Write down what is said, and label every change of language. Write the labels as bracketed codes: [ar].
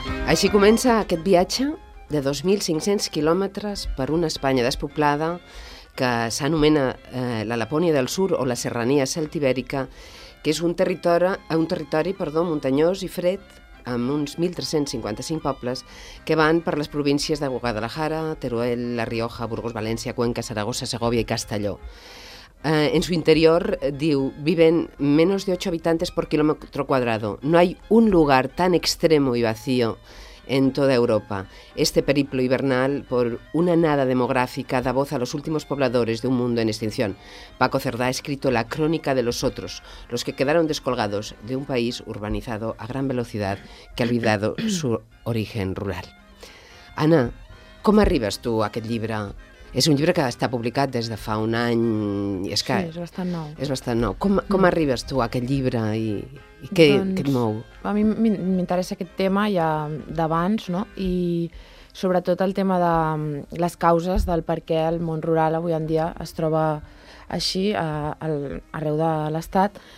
[ca] Així comença aquest viatge de 2.500 quilòmetres per una Espanya despoblada que s'anomena la Lapònia del Sur o la Serrania Celtibèrica, que és un territori muntanyós i fred amb uns 1.355 pobles que van per les províncies de Guadalajara, Teruel, La Rioja, Burgos, València, Cuenca, Saragossa, Segovia i Castelló. [es] En su interior, [ca] diu, [es] viven menos de 8 habitantes por kilómetro cuadrado. No hay un lugar tan extremo y vacío en toda Europa. Este periplo hibernal por una nada demográfica da voz a los últimos pobladores de un mundo en extinción. Paco Cerdá ha escrito la crónica de los otros, los que quedaron descolgados de un país urbanizado a gran velocidad que ha olvidado su origen rural. Ana, ¿cómo arribas tú a aquel libro? [ca] És un llibre que està publicat des de fa un any. És que sí, és bastant nou. És bastant nou. Com arribes tu a aquest llibre i què, doncs, què et mou? A mi m'interessa aquest tema ja d'abans, no? I sobretot el tema de les causes del per què el món rural avui en dia es troba així arreu de l'Estat.